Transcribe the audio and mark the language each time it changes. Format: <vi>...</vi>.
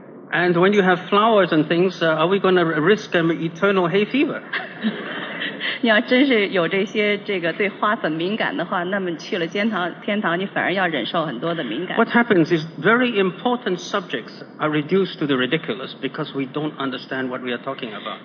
<en>And when you have flowers and things, are we going to risk an eternal hay fever?</en> <zh>你要真是有这些这个对花粉敏感的话，那么去了天堂，你反而要忍受很多的敏感。</zh> <en>What happens is very important subjects are reduced to the ridiculous because we don't understand what we are talking about.</en>